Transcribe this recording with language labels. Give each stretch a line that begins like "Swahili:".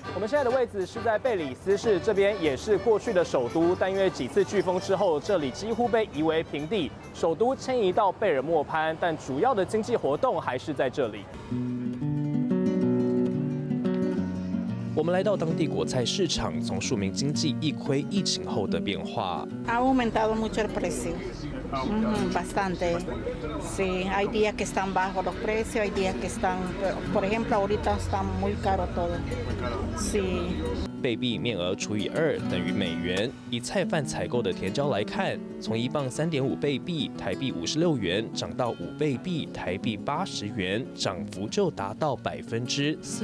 Chinese: 我们现在的位置是在贝里斯市，这边也是过去的首都，但因为几次飓风之后，这里几乎被夷为平地，首都迁移到贝尔莫潘，但主要的经济活动还是在这里。我们来到当地果菜市场，从庶民经济一窥疫情后的变化。
Spanish: Ha aumentado mucho el precio, bastante. Sí, hay días que están bajos los precios, hay días que están, por ejemplo, ahorita está muy caro todo. Sí.
Chinese: 贝币面额除以2等于美元。以菜贩采购的甜椒来看，从1磅3.5贝币（台币56元）涨到5贝币（台币80元），涨幅就达到42.86%。